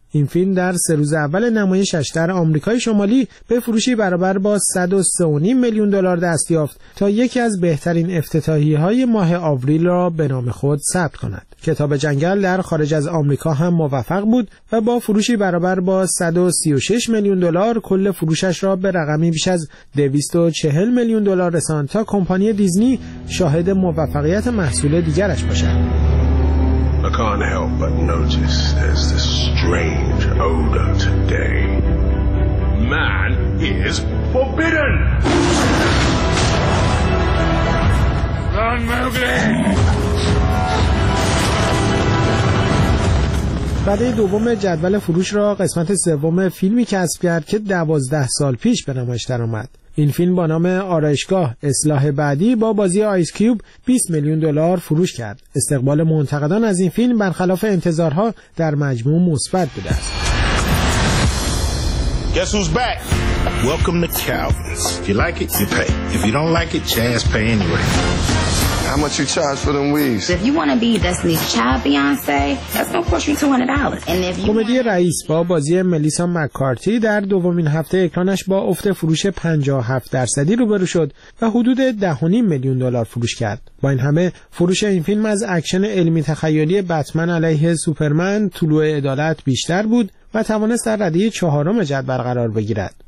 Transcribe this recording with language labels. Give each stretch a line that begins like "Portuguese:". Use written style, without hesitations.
Persian: این فیلم در 3 روز اول نمایشش در آمریکای شمالی به فروشی برابر با 103.5 میلیون دلار دست یافت تا یکی از بهترین افتتاحیه‌های ماه آوریل را به نام خود ثبت کند. کتاب جنگل در خارج از آمریکا هم موفق بود و با فروشی برابر با 136 میلیون دلار کل فروشش را به رقمی بیش از 240 میلیون دلار رساند تا کمپانی دیزنی شاهد موفقیت محصول دیگرش باشد.
English: I can't help but notice there's this strange odor today. Man is forbidden! Run, Mowgli!
Persian: بعده دوم جدول فروش را قسمت سوم فیلمی کسب کرد که 12 سال پیش به نمایش درآمد. این فیلم با نام آرایشگاه اصلاح بعدی با بازی آیس کیوب 20 میلیون دلار فروش کرد. استقبال منتقدان از این فیلم برخلاف انتظارها در مجموع مثبت بوده است.
English: Guess who's back? Welcome to Calvin's. If you like it, you pay. If you don't like it, Chaz pay anyway. How much you charge for them weaves? If you want to be Destiny's Child Beyonce, that's going to cost you $200. And if you
Persian: کمدی رئیس با بازی ملیسا مک‌کارتی در دومین هفته اکرانش با افت فروش 57% روبرو شد و حدود 10.5 میلیون دلار فروش کرد. با این همه فروش این فیلم از اکشن علمی تخیلی بتمن علیه سوپرمن طلوع عدالت بیشتر بود و توانست در رده 4 جدول قرار بگیرد.